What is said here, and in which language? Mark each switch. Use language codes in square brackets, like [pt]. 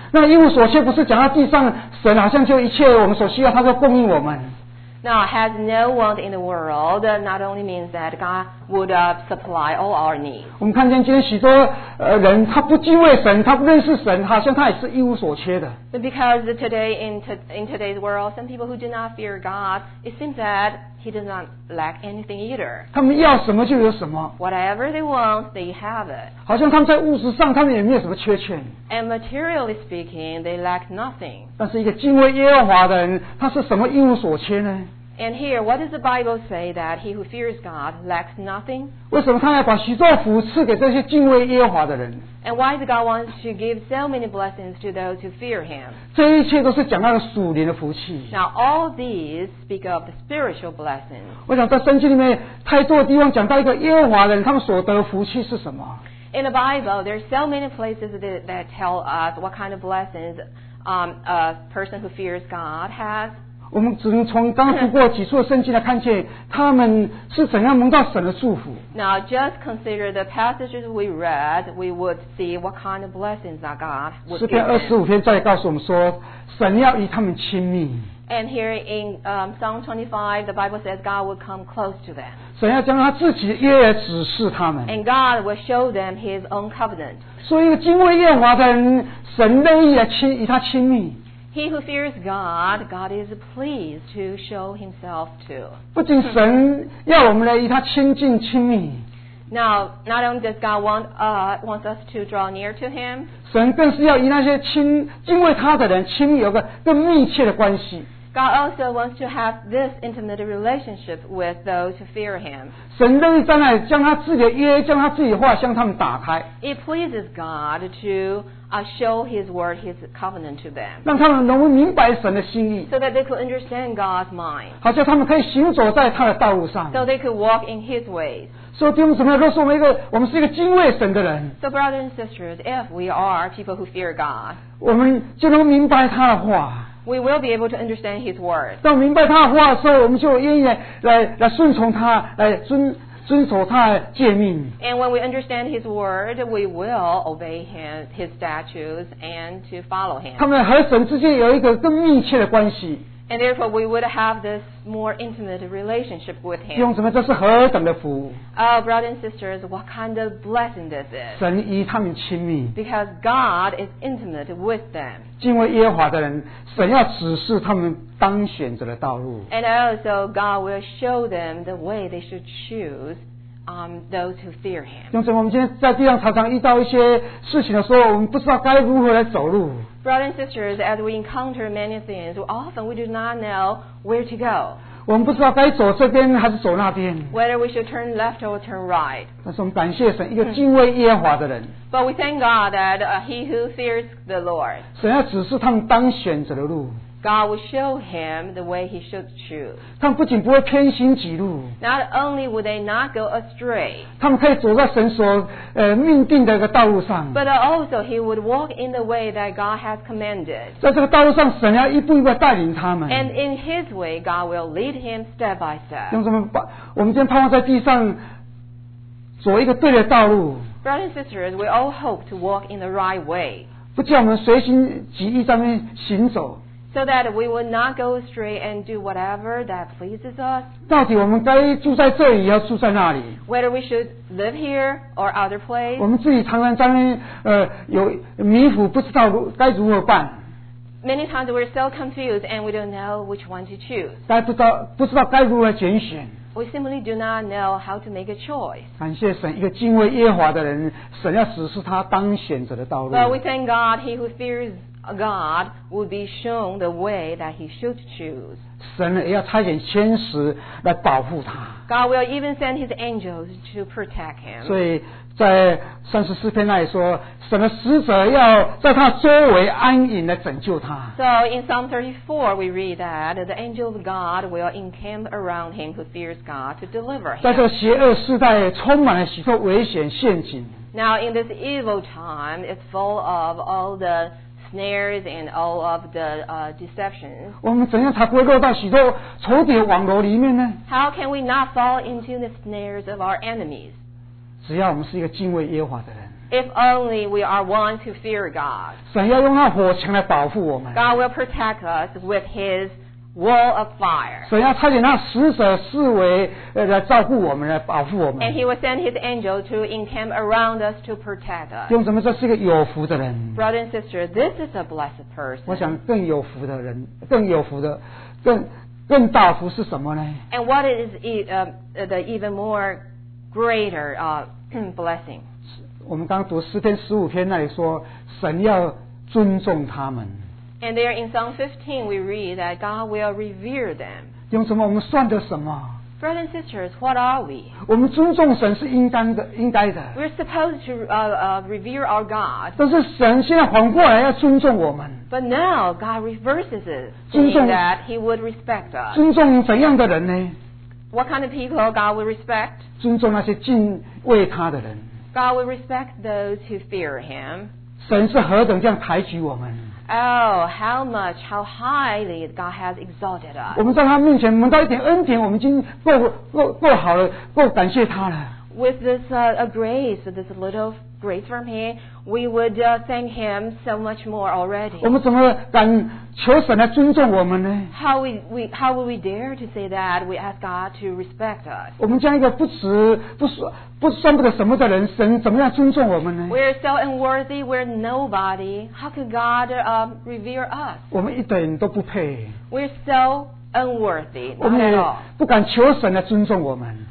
[zh] 那一无所缺不是讲到地上神好像就一切我们所需要，他就供应我们。 [en] Now, has no want in the world, not only means that God would supply all our needs. [zh] 我们看见今天许多人，他不敬畏神，他不认识神，好像他也是一无所缺的。 [en] Because today in today's world, some people who do not fear God, it seems that he does not lack anything either. [zh] 他们要什么就有什么。 [en] Whatever they want, they have it. [zh] 好像他们在物质上，他们也没有什么缺欠。 [en] And materially speaking, they lack nothing. [zh] 但是一个敬畏耶和华的人，他是什么一无所缺呢？ [en] And here, what does the Bible say that he who fears God lacks nothing? [zh] 为什么他要把许多福赐给这些敬畏耶和华的人？ [en] And why does God want to give so many blessings to those who fear him? [zh] 这一切都是讲到属灵的福气。 [en] Now all these speak of the spiritual blessings. [zh] 我想在圣经里面太多地方讲到一个耶和华的人他们所得的福气是什么？ [en] in the Bible, there are so many places that tell us what kind of blessings a person who fears God has. [zh] 我们只能从刚读过几处圣经来看见他们是怎样蒙到神的祝福。 [en] Now just consider the passages we read, we would see what kind of blessings that God would give. [zh] 诗篇二十五篇再告诉我们说，神要与他们亲密。 [en] And here in Psalm 25, the Bible says God will come close to them. [zh] 神要将他自己的约指示他们。 [en] And God will show them His own covenant. [zh] 所以敬畏耶和华的人，神乐意与他亲密。 [en] He who fears God, God is pleased to show himself to. [zh] 不仅神要我们来与他亲近亲密。 [en] Now, not only does God want us to draw near to him, [zh] 神更是要与那些敬畏他的人亲密有个更密切的关系。 [en] God also wants to have this intimate relationship with those who fear him. [zh] 神乐意将来将他自己的约将他自己的话向他们打开。 [en] It pleases God to show his word, his covenant to them. [zh] 让他们能够明白神的心意。 [en] So that they could understand God's mind. [zh] 好像他们可以行走在他的道路上。 [en] So they could walk in his ways. [zh] 所以弟兄姊妹，若是我们是一个敬畏神的人。 [en] So brothers and sisters, if we are people who fear God. [zh] 我们就能明白他的话。 [en] We will be able to understand His word. [zh] 当明白他的话的时候，我们就愿意来顺从他，来遵守他的诫命。 [en] And when we understand His word, we will obey Him, His statutes, and to follow Him. [zh] 他们和神之间有一个更密切的关系。 [en] And therefore, we would have this more intimate relationship with Him. [zh] 弟兄姊妹，这是何等的福！ [en] Oh, brothers and sisters, what kind of blessing this is? [zh] 神与他们亲密。 [en] Because God is intimate with them. [zh] 敬畏耶和华的人，神要指示他们当选择的道路。 [en] And also, God will show them the way they should choose. Those who fear Him. [zh] 弟兄姊妹，我们今天在地上常常遇到一些事情的时候，我们不知道该如何来走路。 [en] Brothers and sisters, as we encounter many things, often we do not know where to go. [zh] 我们不知道该走这边还是走那边。 [en] Whether we should turn left or turn right. [zh] 但是我们感谢神，一个敬畏耶和华的人。 [en] But we thank God that he who fears the Lord. [zh] 神要指示他们当选择的路。 [en] God will show him the way he should choose. [zh] 他们不仅不会偏行己路。 [en] Not only would they not go astray. [zh] 他们可以走在神所命定的一个道路上。 [en] But also he would walk in the way that God has commanded. [zh] 在这个道路上，神要一步一步带领他们。 [en] And in his way, God will lead him step by step. [zh] 用什么把我们今天盼望在地上走一个对的道路。 [en] Brothers and sisters, we all hope to walk in the right way. [zh] 不叫我们随心即意上面行走。 [en] So that we would not go astray and do whatever that pleases us. [zh] 到底我们该住在这里，要住在那里？ [en] Whether we should live here or other place. [zh] 我们自己常常在那边有迷糊，不知道该如何办。 [en] Many times we're so confused and we don't know which one to choose. [zh] 该不知道该如何拣选。 [en] We simply do not know how to make a choice. [zh] 感谢神，一个敬畏耶和华的人，神要指示他当选择的道路。 [en] But we thank God, he who fears God will be shown the way that he should choose. [zh] 神也要差遣天使来保护他。 [en] God will even send his angels to protect him. [zh] 所以在三十四篇那里说，神的使者要在他周围安营来拯救他。 [en] So in Psalm 34, we read that the angel of God will encamp around him who fears God to deliver him. [zh] 在这邪恶世代，充满了许多危险陷阱。 [en] Now in this evil time, it's full of all the snares and all of the deceptions. [zh] 我们怎样才不会落到许多仇敌网罗里面呢？ [en] How can we not fall into the snares of our enemies? [zh] 只要我们是一个敬畏耶和华的人。 [en] If only we are ones who fear God. [zh] 神要用那火墙来保护我们。 [en] God will protect us with His wall of fire. [zh] 神要差遣那使者四围来照顾我们，来保护我们。 [en] And He will send His angel to encamp around us to protect us. [zh] 弟兄姊妹，这是一个有福的人。 [en] Brother and sister, this is a blessed person. [zh] 我想更有福的人，更有福的，更大福是什么呢？ [en] And what is the even more greater blessing. [zh] 我们刚读诗篇十五篇那里说，神要尊重他们。 [en] And there in Psalm 15 we read that God will revere them. [zh] 用什么？我们算得什么？ [en] Brothers and sisters, what are we? [zh] 我们尊重神是应该的。 [en] We're supposed to revere our God. [zh] 但是神现在反过来要尊重我们。 [en] But now God reverses it, saying that He would respect us. [zh] 尊重怎样的人呢？ [en] What kind of people God will respect? [zh] 尊重那些敬畏他的人。 [en] God will respect those who fear him. [zh] 神是何等这样抬举我们。 [en] Oh, how much, how highly God has exalted us. [zh] 我们在他面前蒙到一点恩典，我们已经够好了，够感谢他了。 [en] With this grace, this little grace from him, we would thank him so much more already. [zh] 我们怎么敢求神来尊重我们呢？ [en] How would we dare to say that we ask God to respect us? [zh] 我们这样一个不值不算不得什么的人，神怎么样尊重我们呢？ [en] We're so unworthy, we're nobody. How could God revere us? [zh] 我们一点都不配。 [en] We're so unworthy, not at all. [zh] 我们也不敢求神来尊重我们。